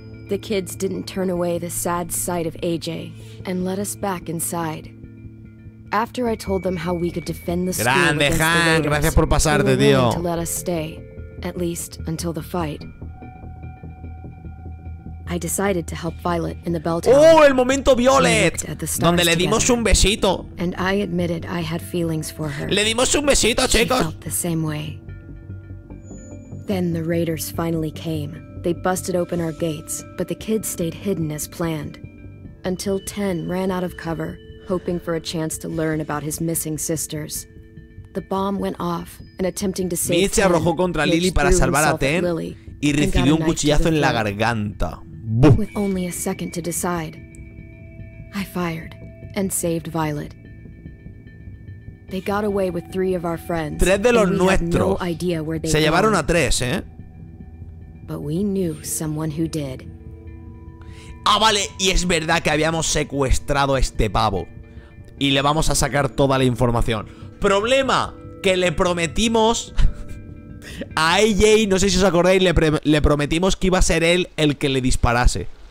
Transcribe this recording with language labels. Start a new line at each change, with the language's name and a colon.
English: The kids didn't turn away the sad sight of AJ and let us back inside. After I told them how we could defend the school against the raiders,
Spanish: gracias por pasarte,
English: they were willing
Spanish: tío.
English: To let us stay, at least until the fight. I decided to help Violet in the bell tower.
Spanish: Oh, el momento Violet, donde le dimos un besito.
English: And I admitted I had feelings for her.
Spanish: Le dimos un besito, chicos.
English: She felt the same way. Then the raiders finally came. They busted open our gates, but the kids stayed hidden as planned. Until Ten ran out of cover, hoping for a chance to learn about his missing sisters. The bomb went off, and attempting to save Ten,
Spanish: se arrojó contra Lily para salvar a Ten y recibió un cuchillazo en la garganta.
English: Boom. With only a second to decide, I fired and saved Violet. They got away with three of our friends.
Spanish: Tres de los nuestros. Se llevaron a tres, ¿eh?
English: but we knew someone who did.
Spanish: Ah, vale, y es verdad que habíamos secuestrado a este pavo. Y le vamos a sacar toda la información. Problema, que le prometimos a AJ, no sé si os acordáis, le prometimos que iba a ser él el que le disparase.